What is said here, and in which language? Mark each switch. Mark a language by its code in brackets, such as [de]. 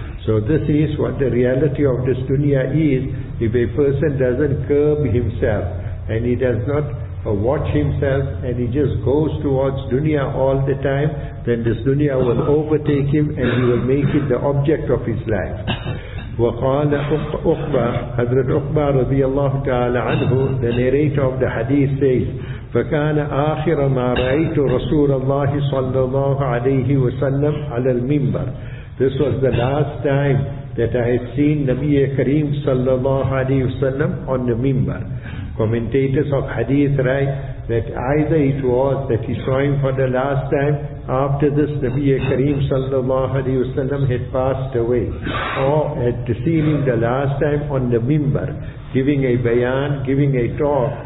[en] So this is what the reality of this dunya is. If a person doesn't curb himself and he does not watch himself and he just goes towards dunya all the time, then this dunya will overtake him and he will make it the object of his life. [ar] وَقَالَ أُقْبَى, [en] Hazrat Uqba radiallahu ta'ala anhu, the narrator of the hadith says, [ar] فَكَانَ آخِرَ مَا رَأَيْتُ رَسُولَ اللَّهِ صَلَّى اللَّهُ عَلَيْهِ وَسَلَّمْ عَلَى الْمِنْبَرِ. [en] This was the last time that I had seen Nabi Kareem sallallahu alayhi wa sallam on the minbar. Commentators of hadith write that either it was that he saw him for the last time after this Nabi Kareem sallallahu alayhi wa sallam had passed away, or had seen him the last time on the minbar, giving a bayan, giving a talk.